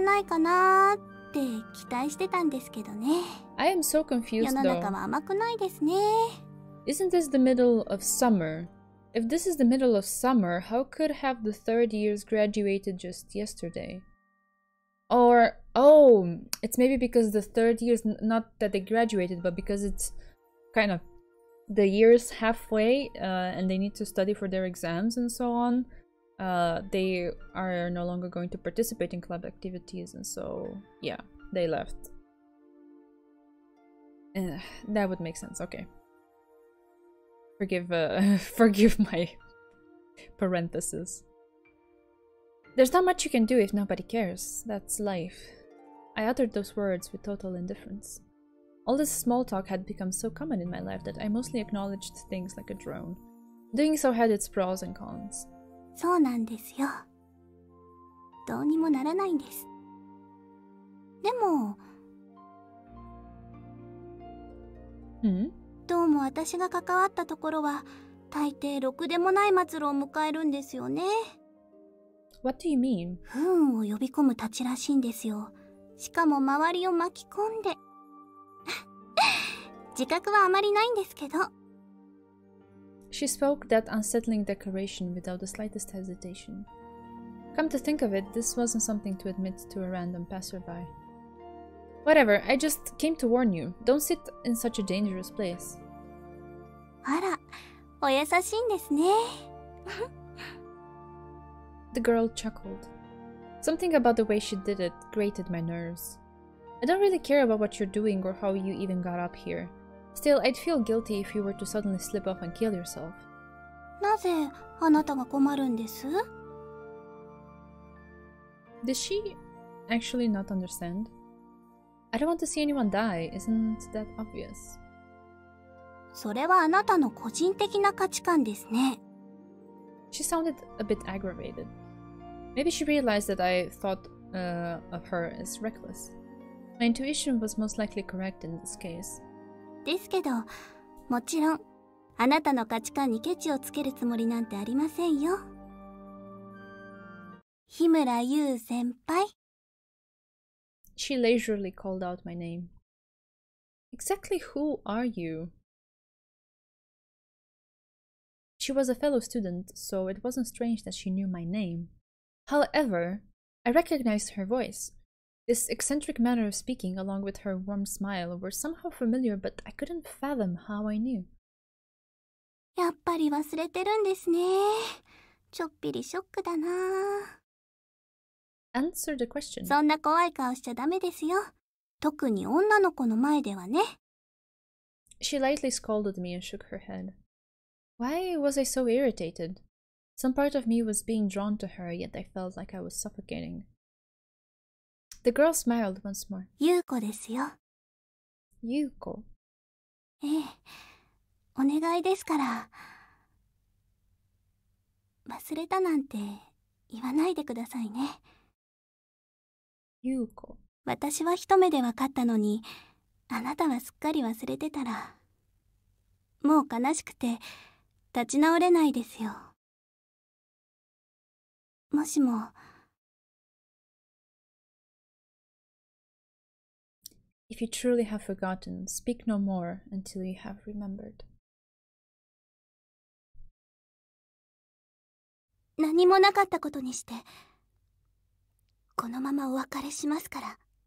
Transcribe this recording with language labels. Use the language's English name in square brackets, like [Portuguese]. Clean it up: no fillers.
[Japanese] ギリギリまで誰か入部してくれないかなって期待してたんですけどね。 [English] I am so confused, though. [Japanese] 世の中は甘くないですね。 [English] Isn't this the middle of summer? If this is the middle of summer, how could have the third years graduated just yesterday? Or, oh, It's maybe because the third year is not that they graduated, but because it's kind of the year is halfway and they need to study for their exams and so on. They are no longer going to participate in club activities, and so yeah, they left. That would make sense. Okay. Forgive my parenthesis. There's not much you can do if nobody cares. That's life. I uttered those words with total indifference. All this small talk had become so common in my life that I mostly acknowledged things like a drone. Doing so had its pros and cons. [Japanese] そうなんですよ。どうにもならないんです。でも、どうも私が関わったところは、大抵ろくでもない末路を迎えるんですよね。 [English] What do you mean? [Japanese] 不運を呼び込むたちらしいんですよ。しかも周りを巻き込んで。自覚はあまりないんですけど。 [English] She spoke that unsettling declaration without the slightest hesitation. Come to think of it, this wasn't something to admit to a random passerby. Whatever, I just came to warn you. Don't sit in such a dangerous place. [Japanese] あら、お優しいんですね。 [English] The girl chuckled. Something about the way she did it grated my nerves. I don't really care about what you're doing or how you even got up here. Still, I'd feel guilty if you were to suddenly slip off and kill yourself. [Japanese] なぜあなたが困るんです? [English] Does she actually not understand? I don't want to see anyone die, isn't that obvious? [Japanese] それはあなたの個人的な価値観ですね。 [English] She sounded a bit aggravated. Maybe she realized that I thought of her as reckless. My intuition was most likely correct in this case. [Japanese] ですけど、もちろん、あなたの価値観にケチをつけるつもりなんてありませんよ。日村優先輩。 [English] She leisurely called out my name. Exactly who are you? She was a fellow student, so it wasn't strange that she knew my name. However, I recognized her voice. This eccentric manner of speaking, along with her warm smile, were somehow familiar, but I couldn't fathom how I knew. [Japanese] やっぱり忘れてるんですね。ちょっぴりショックだな。 [English] Answer the question. [Japanese] そんな怖い顔しちゃダメですよ。特に女の子の前ではね。 [English] She lightly scolded me and shook her head. Why was I so irritated? Some part of me was being drawn to her, yet I felt like I was suffocating. The girl smiled once more. [Japanese] ゆうこですよ。ゆうこ。ええ、お願いですから。忘れたなんて言わないでくださいね。ゆうこ。私は一目でわかったのに、あなたはすっかり忘れてたら。もう悲しくて、立ち直れないですよ。もしも。 [English] If you truly have forgotten, speak no more until you have remembered. [Japanese] 何もなかったことにして、このままお別れしますから。